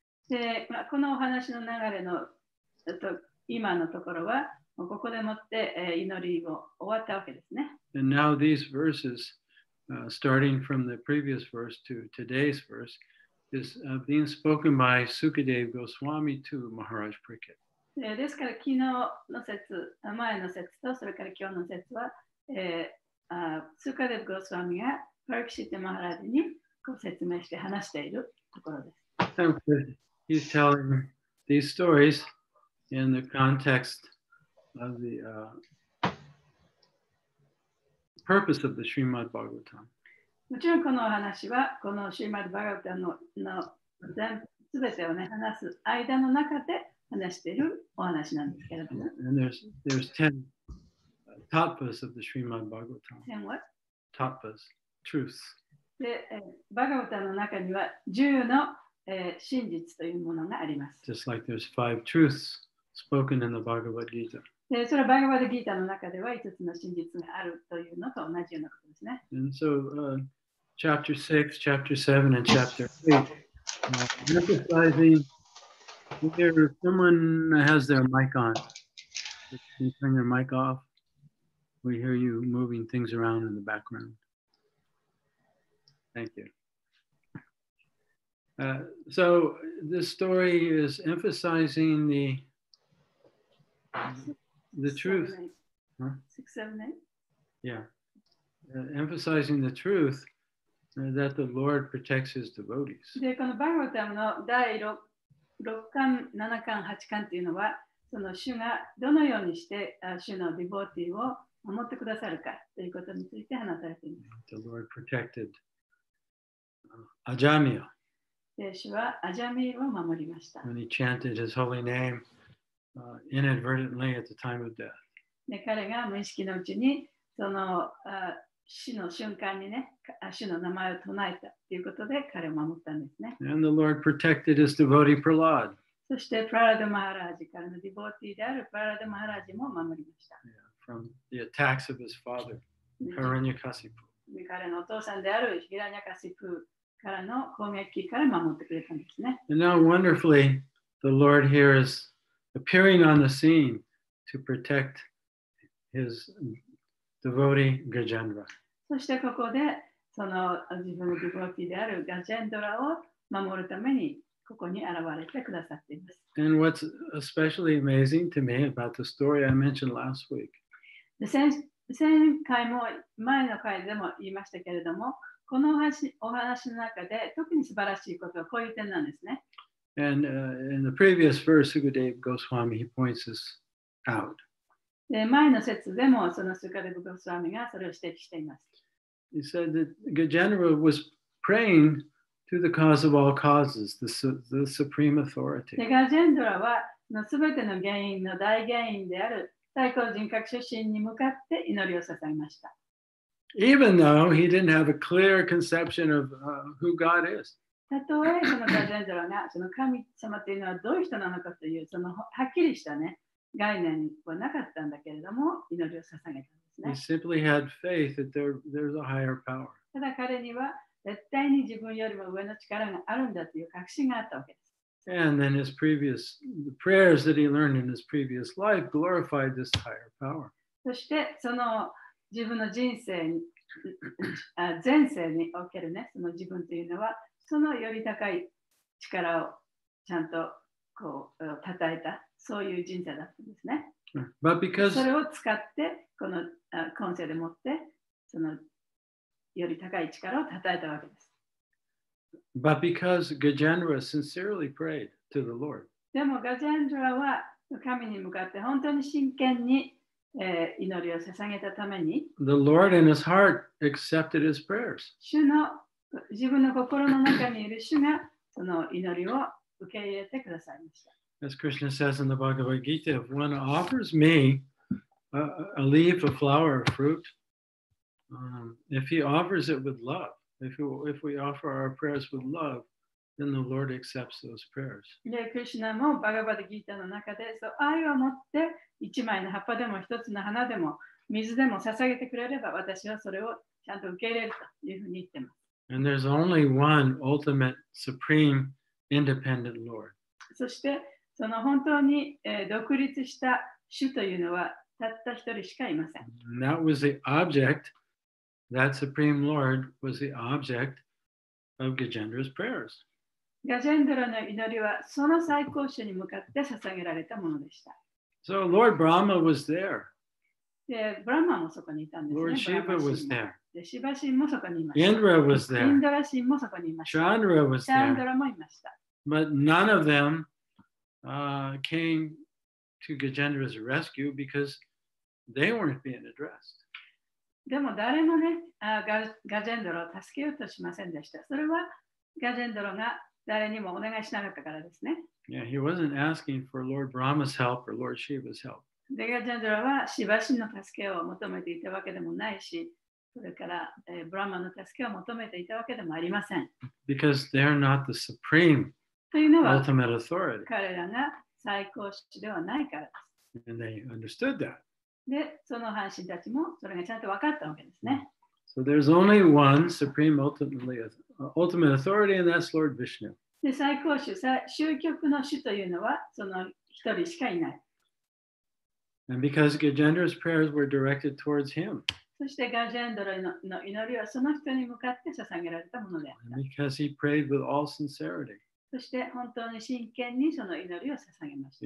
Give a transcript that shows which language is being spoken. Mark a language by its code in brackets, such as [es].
[ja] で、まあ、このお話の流れの今のところは、ここでもって祈りを終わったわけですね。 [en] And now these verses, starting from the previous verse to today's verse, is being spoken by Sukadeva Goswami to Maharaj Prickett. [ja] ですから昨日の説、前の説とそれから今日の説は、スーカデブゴスワミがパークシテマハラジにこう説明して話しているところです。 [en] He's telling these stories in the context of the purpose of the Srimad Bhagavatam. [ja] もちろんこのお話はこのシリマッド・バガヴァタムの全全てをね話す間の中で話しているお話なんですけれども。 [en] And there's ten tattvas of the Srimad Bhagavatam. Ten what? Tattvas, truths. [ja] で、バガヴァタの中には十の、真実というものがあります。 [en] Just like there's five truths spoken in the Bhagavad Gita. [ja] で、それはバガヴァギータの中では五つの真実があるというのと同じようなことですね。 [en] And so, chapter 6, chapter 7, and chapter 8, emphasizing. Here, someone has their mic on. Can you turn your mic off? We hear you moving things around in the background. Thank you. So this story is emphasizing the truth. Six, seven, eight. Yeah. Emphasizing the truth that the Lord protects his devotees. [ja] で、このバーガータムの第6巻、7巻、8巻というのは、その主がどのようにして主のディボーティーを守ってくださるかということについて話されています。 [en] The Lord protected Ajamiya. [ja] で、主はアジャミーを守りました。 [en] When he chanted his holy name inadvertently at the time of death. [ja] で、彼が無意識のうちにその死の瞬間にね、主の名前を唱えたということで彼を守ったんですね。 [en] And the Lord protected his devotee Prahlad. [ja] そしてプララダマハラージからのディボーティーであるプララダマハラージも守りました。 [en] Yeah, from the attacks of his father, Hiranyakasipu. [ja] 彼のお父さんであるヒラニャカシプからの攻撃から守ってくれたんですね。 [en] And now wonderfully, the Lord here is appearing on the scene to protect his devotee Gajendra. [ja] そしてここでその自分のディボーティーであるガジェンドラを守るためにここに現れてくださっています。 [en] And what's especially amazing to me about the story I mentioned last week. [ja] 前回も前の回でも言いましたけれども、このお話の中で特に素晴らしいことはこういう点なんですね。 [en] And in the previous verse, Sukadeva Goswami, he points this out. [ja] で、前の節でもそのスカデブ・ゴスワミがそれを指摘しています。 [en] He said that Gajendra was praying to the cause of all causes, the supreme authority. [ja] ガジェンドラはすべての原因の大原因である最高人格主神に向かって祈りを捧げました。 [en] Even though he didn't have a clear conception of who God is. [ja] たとえそのガジェンドラがその神様というのはどういう人なのかというそのはっきりしたね概念はなかったんだけれども祈りを捧げたんですね。 [en] He simply had faith that there's a higher power. [ja] ただ彼には絶対に自分よりも上の力があるんだという確信があったわけです。 [en] And then his previous the prayers that he learned in his previous life glorified this higher power. [ja] そしてその自分の人生前世におけるねその自分というのはそのより高い力をちゃんとこう称えたそういう人生だったんですね。 [en] But because [ja] それを使ってこの今世でもってそのより高い力を称えたわけです。 [en] But because Gajendra sincerely prayed to the Lord. [ja] でもガジェンドラは神に向かって本当に真剣に祈りを捧げたために。 [en] The Lord in his heart accepted his prayers. [ja] 主の自分の心の中にいる主がその祈りを受け入れてくださいました。 [en] As Krishna says in the Bhagavad Gita, if one offers me a leaf, a flower, a fruit, if he offers it with love, if we offer our prayers with love, then the Lord accepts those prayers. [ja] で、クリシュナもバガバダギータの中で、そう愛を持って一枚の葉っぱでも一つの花でも水でも捧げてくれれば、私はそれをちゃんと受け入れるというふうに言ってます。 [en] And there's only one ultimate, supreme, independent Lord. [ja] そして、その本当に独立した主というのはたった一人しかいません。 [en] And that was the object, that supreme Lord was the object of Gajendra's prayers. [ja] Gajendra の祈りはその最高主に向かって捧げられたものでした。 [en] So Lord Brahma was there. [ja] で、ブラマもそこにいたんですね。 [en] Lord Shiva was there. [ja] で、シバ神もそこにいました [en] 。 Indra was there. [ja] インドラ神もそこにいました。 [en] Chandra was there. [ja] チャンドラもいました。 [en] But none of them came to Gajendra's rescue because they weren't being addressed. [ja] でも誰もね、ガジェンドラを助けようとしませんでした。それはガジェンドラが誰にもお願いしなかったからですね。 [en] Yeah, he wasn't asking for Lord Brahma's help or Lord Shiva's help. [ja] で、ガジェンドラはシバ神の助けを求めていたわけでもないし、それから、ブラマの助けを求めていたわけでもありません。 [en] Because they're not the supreme. [ja] というのは [en] ultimate authority. [ja] 彼らが最高主ではないからです。 [en] And they understood that. [ja] で、その半身たちもそれがちゃんと分かったわけですね。 [en] So there's only one supreme ultimate authority, and that's Lord Vishnu. [ja] で、最高主、究極の主というのはその一人しかいない。 [en] And because Gajendra's prayers were directed towards him. [ja] そしてガジェンドラの祈りはその人に向かって捧げられたものであった。 [en] And because he prayed with all sincerity. [ja] そして本当に真剣にその祈りを捧げました。